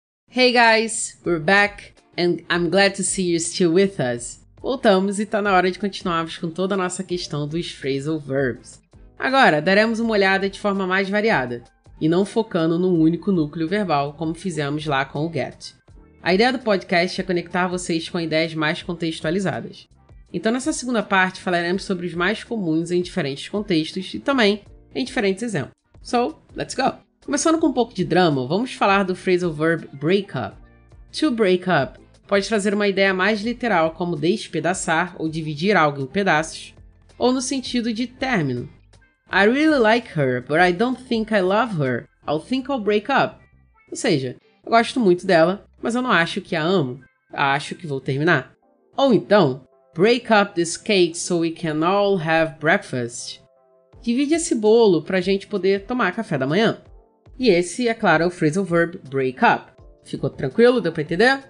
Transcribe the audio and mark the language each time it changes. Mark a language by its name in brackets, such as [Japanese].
[English] Hey guys, we're back and I'm glad to see you're still with us. [Portuguese] Voltamos e tá na hora de continuarmos com toda a nossa questão dos phrasal verbs. Agora, daremos uma olhada de forma mais variada e não focando num único núcleo verbal, como fizemos lá com o get. A ideia do podcast é conectar vocês com ideias mais contextualizadas. Então, nessa segunda parte, falaremos sobre os mais comuns em diferentes contextos e também em diferentes exemplos. So, let's go! Começando com um pouco de drama, vamos falar do phrasal verb break up. To break up pode trazer uma ideia mais literal como despedaçar ou dividir algo em pedaços, ou no sentido de término. [English] I really like her, but I don't think I love her. I'll think I'll break up. [Portuguese] Ou seja, eu gosto muito dela, mas eu não acho que a amo. Acho que vou terminar. Ou então, break up this cake so we can all have breakfast. Divide esse bolo para a gente poder tomar café da manhã. E esse, é claro, é o phrasal verb break up. Ficou tranquilo? Deu para entender?